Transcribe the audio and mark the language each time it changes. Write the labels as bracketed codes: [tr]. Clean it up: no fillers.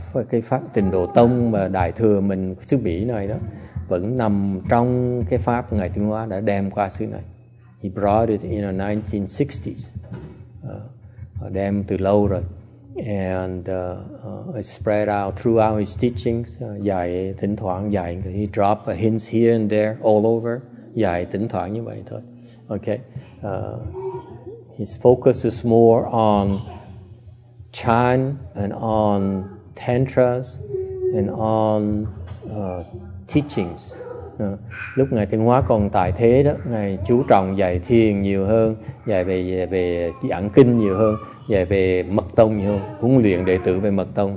[vi] Cái pháp tịnh độ tông mà đại thừa mình xứ Mỹ này đó vẫn nằm trong cái pháp ngài tiến hóa đã đem qua xứ này. [en] He brought it in the 1960s, [vi] đem từ lâu rồi, [en] and it spread out throughout his teachings. [vi] Dạy thỉnh thoảng dạy, [en] he dropped hints here and there, all over. [vi] Dạy thỉnh thoảng như vậy thôi. [en] Okay, his focus is more on Chan and on tantras and on teachings. [vi] Lúc ngài tiến hóa còn tại thế đó, ngài chú trọng dạy thiền nhiều hơn, dạy về giảng kinh nhiều hơn, dạy về mật tông nhiều hơn, huấn luyện đệ tử về mật tông.